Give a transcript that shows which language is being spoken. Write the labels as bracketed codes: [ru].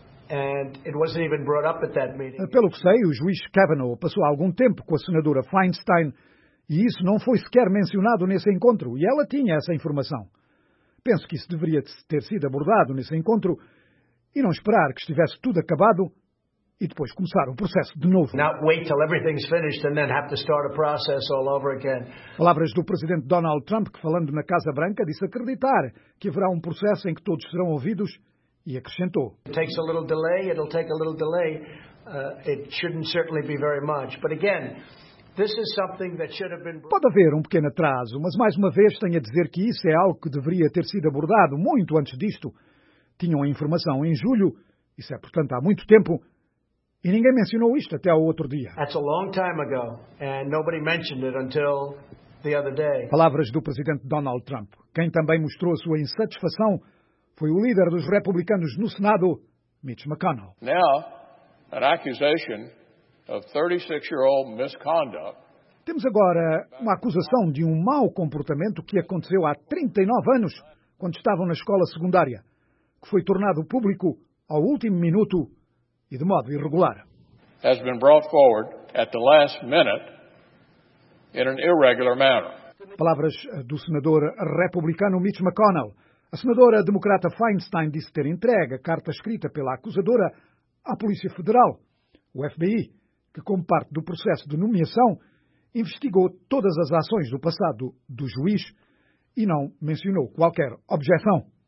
[en] And it wasn't even brought up at that meeting. [pt] Pelo que sei, o juiz Kavanaugh passou algum tempo com a senadora Feinstein e isso não foi sequer mencionado nesse encontro, e ela tinha essa informação. Penso que isso deveria ter sido abordado nesse encontro e não esperar que estivesse tudo acabado e depois começar o processo de novo. [en] Not wait till everything's finished and then have to start a process all over again. [pt] Palavras do presidente Donald Trump, que falando na Casa Branca disse acreditar que haverá um processo em que todos serão ouvidos. E acrescentou. [en] Takes a little delay, it'll take a little delay. It shouldn't certainly be very much. But again, this is something that should have been... [pt] Pode haver um pequeno atraso, mas mais uma vez tenho a dizer que isso é algo que deveria ter sido abordado muito antes disto. Tinham a informação em julho, isso é, portanto, há muito tempo, e ninguém mencionou isto até ao outro dia. [en] That's a long time ago, and nobody mentioned it until the other day. [pt] Palavras do presidente Donald Trump. Quem também mostrou a sua insatisfação foi o líder dos republicanos no Senado, Mitch McConnell. [en] Now, an accusation of 36-year-old misconduct. [pt] Temos agora uma acusação de um mau comportamento que aconteceu há 39 anos, quando estavam na escola secundária, que foi tornado público ao último minuto e de modo irregular. [en] Has been brought forward at the last minute in an irregular manner. [pt] Palavras do senador republicano Mitch McConnell. A senadora democrata Feinstein disse ter entregue a carta escrita pela acusadora à Polícia Federal, o FBI, que, como parte do processo de nomeação, investigou todas as ações do passado do juiz e não mencionou qualquer objeção.